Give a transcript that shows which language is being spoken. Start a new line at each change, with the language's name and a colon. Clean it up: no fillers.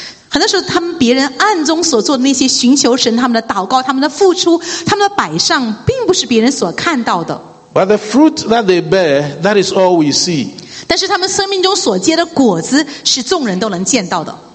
Chinese: 很多时候他们别人暗中所做的那些寻求神他们的祷告他们的付出他们的摆上并不是别人所看到的
English: But the fruit that they bear, that is all we see.
Chinese: 但是他们生命中所结的果子是众人都能见到的